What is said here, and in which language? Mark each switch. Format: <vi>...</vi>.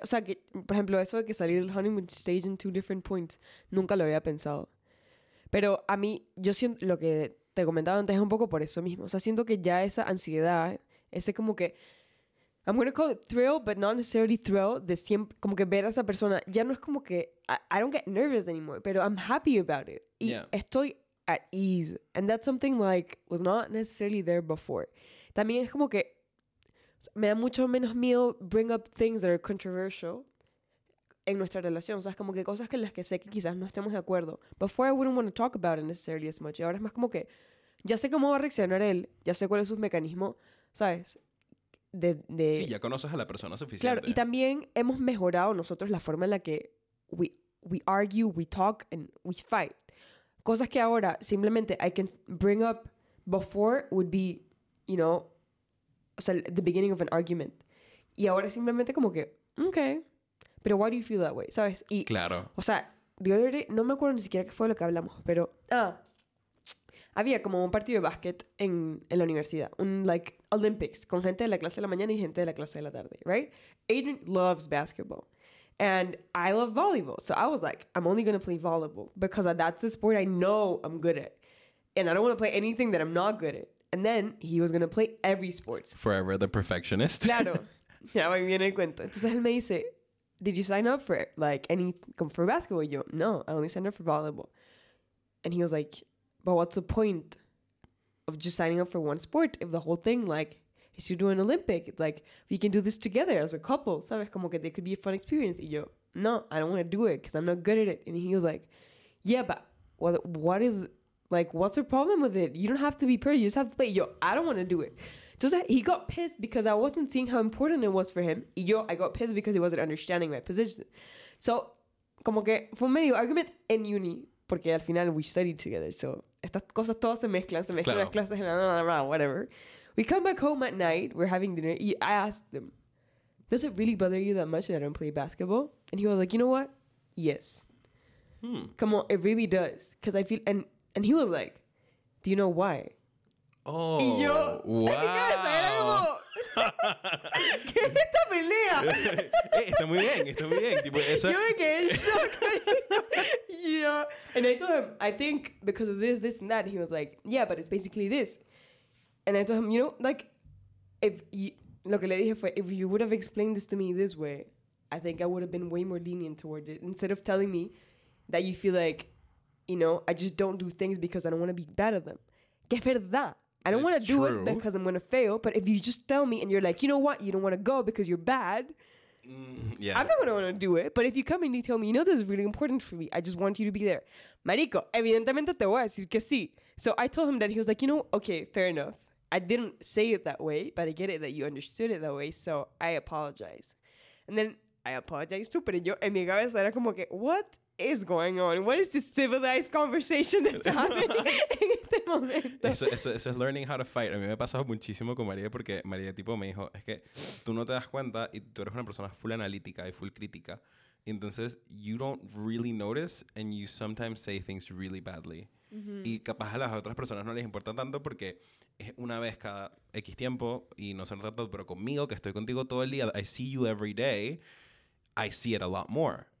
<es>O sea, que, por ejemplo, eso de que salir del</es> <en>honeymoon stage in 2 different points,</en> <es>nunca lo había pensado. Pero a mí, yo siento... Lo que te comentaba antes es un poco por eso mismo. O sea, siento que ya esa ansiedad, ese como que...</es> <en>I'm gonna call it thrill, but not necessarily thrill,</en> <es>de siempre... Como que ver a esa persona, ya no es como que...</es> <en>I don't get nervous anymore, pero I'm happy about it.</en> <es>Y</es> <en>yeah.</en> <es>Estoy</es> <en>at ease. And that's something like was not necessarily there before.</en> <es>También es como que... Me da mucho menos miedo</es> <en>bring up things that are controversial</en> <es>en nuestra relación. O sea, es como que cosas que en las que sé que quizás no estemos de acuerdo.</es> <en>Before, I wouldn't want to talk about it necessarily as much.</en> <es>Y ahora es más como que ya sé cómo va a reaccionar él. Ya sé cuál es su mecanismo, ¿sabes? De... Sí, ya conoces a la persona suficiente. Claro, y también hemos mejorado nosotros la forma en la que</es> <en>we argue, we talk, and we fight.</en> <es>Cosas que ahora simplemente</es> <en>I can bring up before would be, you know...</en> <es>O sea,</es> <en>the beginning of an argument.</en> <es>Y ahora simplemente como que, okay.</es> <en>Pero why do you feel that way,</en> <es>¿sabes? Y, claro. O sea,</es> <en>the other day,</en> <es>no me acuerdo ni siquiera qué fue lo que hablamos, pero... Ah, había como un partido de básquet en la universidad. Un, like, Olympics. Con gente de la clase de la mañana y gente de la clase de la tarde, right?</es> <en>Aiden loves basketball. And I love volleyball. So I was like, I'm only going to play volleyball. Because that's the sport I know I'm good at. And I don't want to play anything that I'm not good at. And then he was going to play every sport. Forever the perfectionist.</en> <es>Claro. Ya va bien el cuento. Entonces él me dice,</es> <en>did you sign up for like any for basketball?</en> <es>Yo, no,</es> <en>I only signed up for volleyball. And he was like, but what's the point of just signing up for one sport if the whole thing, like, is you do an Olympic? Like, we can do this together as a couple.</en> <es>Sabes, como que</es> <en>it could be a fun experience.</en> <es>Y yo, no,</es> <en>I don't want to do it because I'm not good at it. And he was like, yeah, but what is, like, what's the problem with it? You don't have to be pretty. You just have to play. Yo, I don't want to do it.</en> <es>Entonces,</es> <en>he got pissed because I wasn't seeing how important it was for him.</en> <es>Y yo,</es> <en>I got pissed because he wasn't understanding my position.</en> <es>So, como que fue medio argument en uni. Porque al final,</es> <en>we studied together.</en> <es>So, estas cosas todas se mezclan las clases,</es> <en>whatever. We come back home at night. We're having dinner. I asked him, does it really bother you that much that I don't play basketball? And he was like, you know what? Yes.</en> <es>Como,</es> <en>it really does. Because I feel... And he was like, do you know why?</en> <es>Oh, y yo, wow. ¿Qué es esta pelea? está muy bien. Tipo, esa... Yo me quedé en shock.</es> <en>Yeah. And I told him, I think because of this and that, he was like, yeah, but it's basically this. And I told him, you know, like,</en> <es>lo que le dije fue,</es> <en>if you would have explained this to me this way, I think I would have been way more lenient towards it. Instead of telling me that you feel like, you know, I just don't do things because I don't want to be bad at them.</en> <es>Que verdad.</es> <en>I don't want to do it because I'm going to fail. But if you just tell me and you're like, you know what? You don't want to go because you're bad. Yeah. I'm not going to want to do it. But if you come and you tell me, you know, this is really important for me. I just want you to be there.</en> <es>Marico, evidentemente te voy a decir que sí.</es> <en>So I told him that. He was like, you know, okay, fair enough. I didn't say it that way, but I get it that you understood it that way. So I apologize. And then I apologize too.</en> <es>Pero yo en mi cabeza era como que,</es> <en>what is going on? What is this civilized conversation that's happening</en> <es>en este momento? Eso es</es> <en>learning how to fight.</en> <es>A mí me ha pasado muchísimo con María porque María tipo me dijo, es que tú no te das cuenta y tú eres una persona full analítica y full crítica.</es> <en>Y entonces, you don't really notice and you sometimes say things really badly.</en> <es>Mm-hmm. Y capaz a las otras personas no les importa tanto porque es una vez cada X tiempo y no se nota tanto, pero conmigo, que estoy contigo todo el día,</es> <en>I see you every day, I see it a lot more.</en>